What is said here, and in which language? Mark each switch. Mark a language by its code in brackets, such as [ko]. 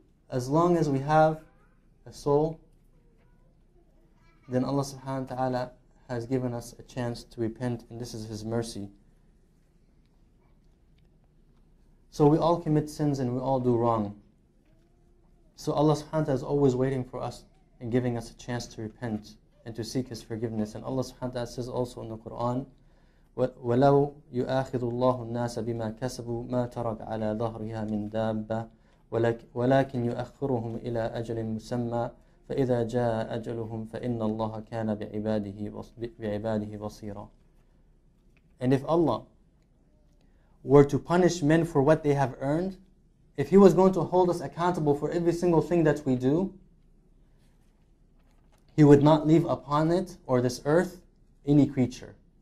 [en] As long as we have a soul, then Allah subhanahu wa ta'ala has given us a chance to repent, and this is His mercy. So we all commit sins and we all do wrong. So Allah subhanahu wa ta'ala is always waiting for us and giving us a chance to repent and to seek His forgiveness. And Allah subhanahu wa ta'ala says also in the Quran, [ar] وَلَوْ يُؤَاخِذُ اللَّهُ النَّاسَ بِمَا كَسَبُوا مَا تَرَكَ عَلَى ظَهْرِهَا مِنْ دَابَّةٍ وَلَكِنْ يُؤَخِّرُهُمْ إِلَى أَجَلٍ مُسَمَّى فَإِذَا جَاءَ أَجَلُهُمْ فَإِنَّ اللَّهَ كَانَ بِعِبَادِهِ بَصِيرًا. [en] And if Allah were to punish men for what they have earned, if He was going to hold us accountable for every single thing that we do, He would not leave upon it or this earth any creature.